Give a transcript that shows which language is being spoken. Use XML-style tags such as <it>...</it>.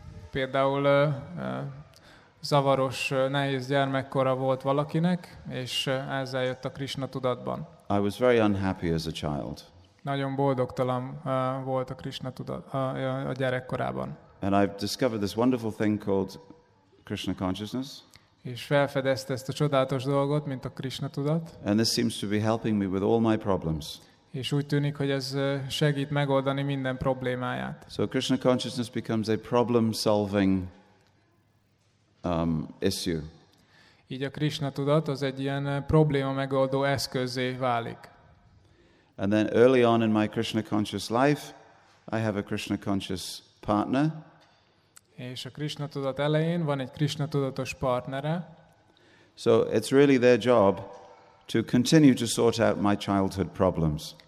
<hu>Például zavaros, nehéz gyermekkora volt valakinek, és ezzel jött a Krishna tudatban.</hu> <en>I was very unhappy as a child.</en> <hu>Nagyon boldogtalan volt a Krishna tudat a gyerekkorában.</hu> <en>And I've discovered this wonderful thing called Krishna consciousness.</en> <hu>És felfedezte ezt a csodálatos dolgot, mint a Krishna tudat.</hu> <en>And this seems to be helping me with all my problems.</en> <hu>És úgy tűnik, hogy ez segít megoldani minden problémáját.</hu> <en>So Krishna consciousness becomes a problem-solving issue.</en> <hu>Így a Krishna tudat az egy ilyen probléma megoldó eszközé válik.</hu> <en>And then early on in my Krishna conscious life, I have a Krishna conscious partner.</en> <hu>És a Krishna tudat elején van egy Krishna tudatos partnere.</hu> <en>So it's really their job to continue to sort out my childhood problems.</en>